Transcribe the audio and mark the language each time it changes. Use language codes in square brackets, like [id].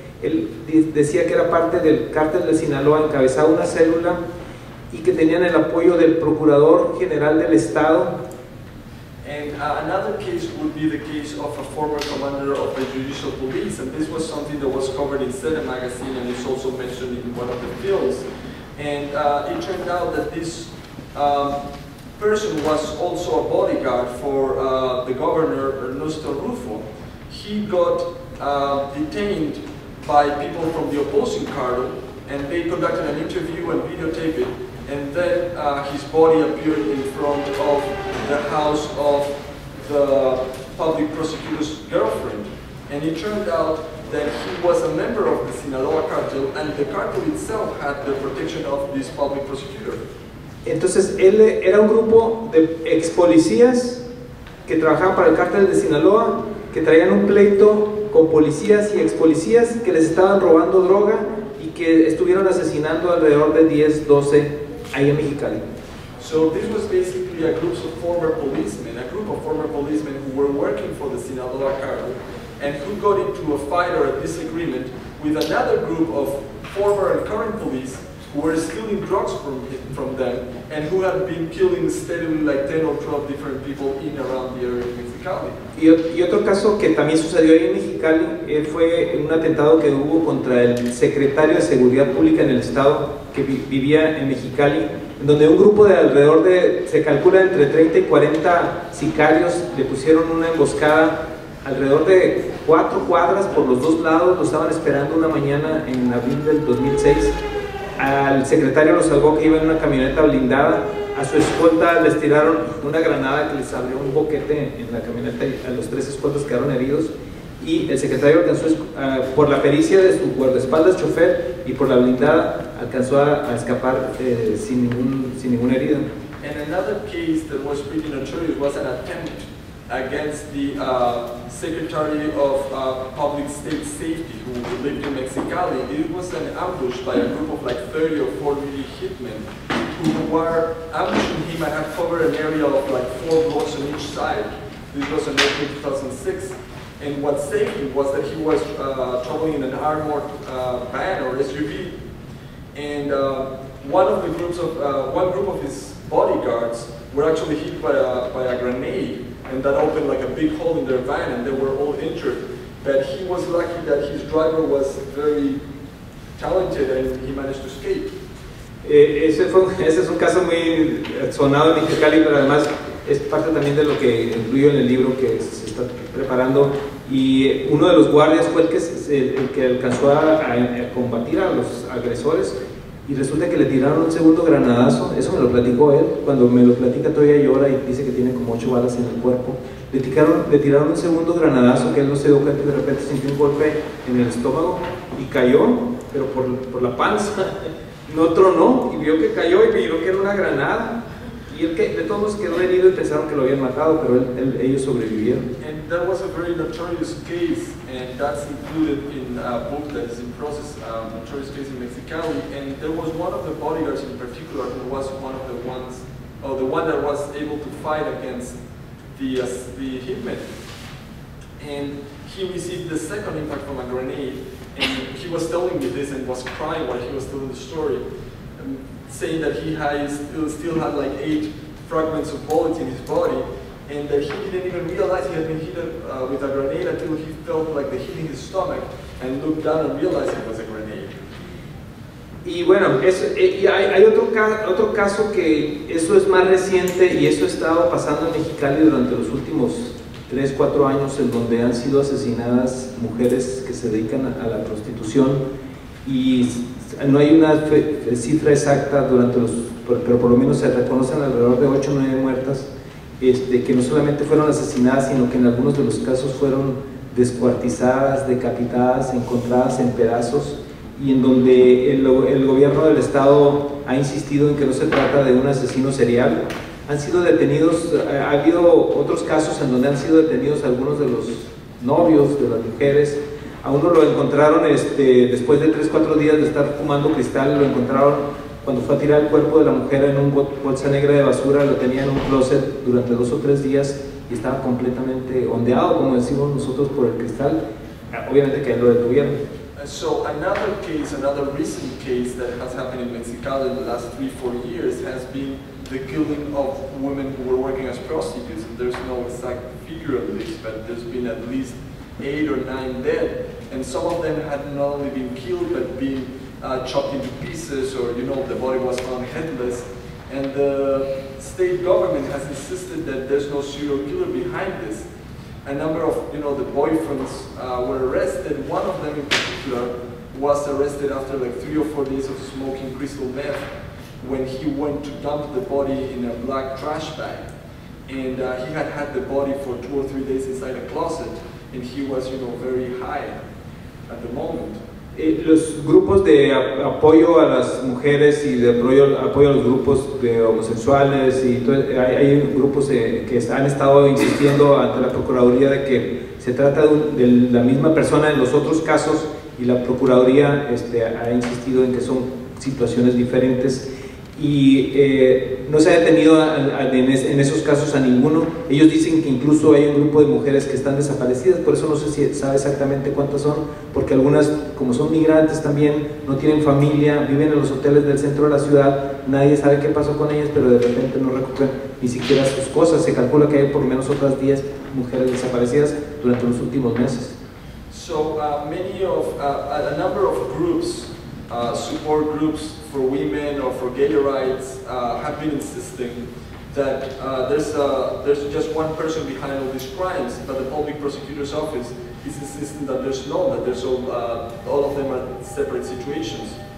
[es] Él decía que era parte del cártel de Sinaloa, encabezaba una célula y que tenían el apoyo del procurador general del estado. [en] And another case would be the case of a former commander of the judicial police, and this was something that was covered in Zeta magazine and is also mentioned in one of the films. And it turned out that this person was also a bodyguard for the governor, Ernesto Rufo. He got detained by people from the opposing cartel, and they conducted an interview and videotaped it. And then his body appeared in front of the house of the public prosecutor's girlfriend. And it turned out that he was a member of the Sinaloa cartel, and the cartel itself had the protection of this public prosecutor. [es] Entonces, él era un grupo de ex policías que trabajaban para el cartel de Sinaloa, que traían un pleito con policías y ex policías que les estaban robando droga y que estuvieron asesinando alrededor de 10, 12 ahí en Mexicali. [en] So this was basically a group of former policemen, a group of former policemen who were working for the Sinaloa cartel, and who got into a fight or a disagreement with another group of former and current police were stealing drugs from them and who had been killing steadily like 10 or 12 different people in and around the area of Mexicali. [es] Y otro caso que también sucedió ahí en Mexicali fue un atentado que hubo contra el secretario de Seguridad Pública en el estado que vivía en Mexicali, donde un grupo de alrededor de, se calcula entre 30 y 40 sicarios, le pusieron una emboscada alrededor de 4 cuadras por los dos lados, lo estaban esperando una mañana en abril del 2006. Al secretario lo salvó que iba en una camioneta blindada, a su escolta les tiraron una granada que les abrió un boquete en la camioneta y a los tres escoltas quedaron heridos. Y el secretario alcanzó, por la pericia de su guardaespaldas chofer y por la blindada, alcanzó a escapar sin ningún herido. [en] And another case that was pretty notorious was an attempt against the Secretary of Public State Safety who lived in Mexicali. It was an ambush by a group of like 30 or 40 hitmen who were ambushing him and had covered an area of like 4 blocks on each side. This was in 2006. And what saved him was that he was traveling in an armored van or SUV. And one group of his bodyguards were actually hit by a grenade, and that opened like a big hole in their van, and they were all injured. But he was lucky that his driver was very talented, and he managed to escape. [es] Ese es un caso muy sonado en Mexicali, pero además es parte también de lo que incluyo en el libro que se está preparando. Y uno de los guardias fue el que alcanzó a combatir a los agresores y resulta que le tiraron un segundo granadazo, eso me lo platicó él, cuando me lo platica todavía llora y dice que tiene como 8 balas en el cuerpo, le tiraron un segundo granadazo que él no se dio cuenta y de repente sintió un golpe en el estómago y cayó, pero por la panza, no tronó y vio que cayó y miró que era una granada. Y el que de todos quedó herido y pensaron que lo habían matado, pero ellos sobrevivieron. [en] And that was a very notorious case, and that's included in a book that is in process, a notorious case in Mexicali. And there was one of the bodyguards in particular who was one of the ones, or the one that was able to fight against the hitman. And he received the second impact from a grenade, and he was telling me this and was crying while he was telling the story. Saying that he still had like 8 fragments of bullets in his body, and that he didn't even realize he had been hit with a grenade until he felt like the hit in his stomach and looked down and realized it was a grenade. [es] Y bueno, hay otro caso que eso es más reciente y eso estaba pasando en Mexicali durante los últimos 3-4 años, en donde han sido asesinadas mujeres que se dedican a la prostitución y no hay una cifra exacta durante los, pero por lo menos se reconocen alrededor de 8 o 9 muertas, que no solamente fueron asesinadas, sino que en algunos de los casos fueron descuartizadas, decapitadas, encontradas en pedazos, y en donde el gobierno del estado ha insistido en que no se trata de un asesino serial. Han sido detenidos, ha habido otros casos en donde han sido detenidos algunos de los novios de las mujeres. A uno lo encontraron después de 3-4 días de estar fumando cristal, lo encontraron cuando fue a tirar el cuerpo de la mujer en una bolsa negra de basura, lo tenía en un closet durante 2 o 3 días y estaba completamente ondeado, como decimos nosotros, por el cristal. Obviamente que lo detuvieron. [en] So another case, another recent case that has happened in Mexicali in the last 3-4 years has been the killing of women who were working as prostitutes. There's no exact figure of this, but there's been at least 8 or 9 dead, and some of them had not only been killed but been chopped into pieces, or you know, the body was found headless. And the state government has insisted that there's no serial killer behind this. A number of, you know, the boyfriends were arrested. One of them in particular was arrested after like 3 or 4 days of smoking crystal meth when he went to dump the body in a black trash bag. And he had had the body for 2 or 3 days inside a closet. And he was, you know, very high at the moment. [es] Los grupos de apoyo a las mujeres y de apoyo a los grupos de homosexuales y hay grupos que han estado insistiendo ante la Procuraduría de que se trata de la misma persona en los otros casos, y la Procuraduría ha insistido en que son situaciones diferentes. y no se ha detenido en esos casos a ninguno. Ellos dicen que incluso hay un grupo de mujeres que están desaparecidas, por eso no sé si sabe exactamente cuántas son, porque algunas, como son migrantes también, no tienen familia, viven en los hoteles del centro de la ciudad, nadie sabe qué pasó con ellas, pero de repente no recuperan ni siquiera sus cosas. Se calcula que hay por lo menos otras 10 mujeres desaparecidas durante los últimos meses. [en] So a number of groups, support groups for women or for gay rights, have been insisting that there's just one person behind all these crimes, but the public prosecutor's office is insisting that there's none, that there's all of them are separate situations.